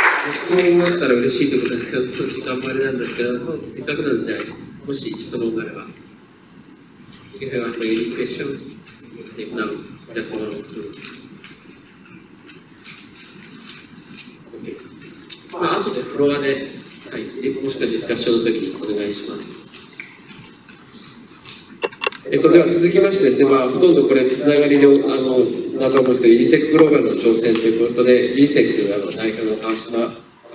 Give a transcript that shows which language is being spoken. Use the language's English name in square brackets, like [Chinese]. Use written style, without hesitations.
[Japanese] 質問があったら嬉しいってことは、ちょっと時間もあれなんですけど、せっかくなんで、もし質問があれば。 [English] If you have any question, if not, just one or two. Okay. [Japanese] まあ、あとでフロアで、はい、もしくはディスカッションの時にお願いします。では続きましてですね、まあ、ほとんどこれつながりでだと思うんですけど、UNICEFグローバルの挑戦ということで、UNICEFという代表の川島。